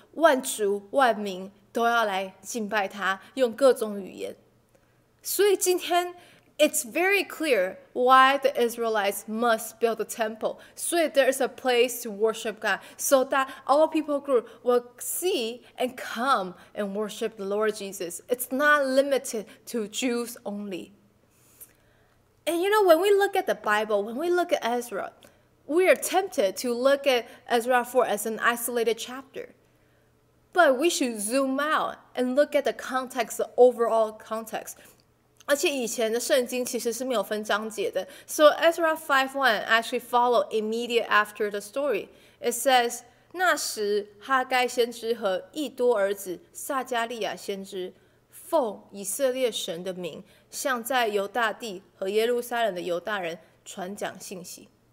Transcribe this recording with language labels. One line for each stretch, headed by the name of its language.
Chinese: 万族万民都要来敬拜他，用各种语言。
English: 所以今天 it's very clear why the Israelites must build a temple. 所以 there is a place to worship God so that all people group will see and come and worship the Lord Jesus. It's not limited to Jews only. And you know, when we look at the Bible, when we look at Ezra, we are tempted to look at Ezra 4 as an isolated chapter. But we should zoom out and look at the context, the overall context.
Chinese: 而且以前的圣经其实是没有分章节的。
English: So Ezra 5:1 actually follows immediately after the story.
Chinese: It says, 那时哈该先知和义多儿子撒加利亚先知奉以色列神的名向在犹大地和耶路撒冷的犹大人传讲信息。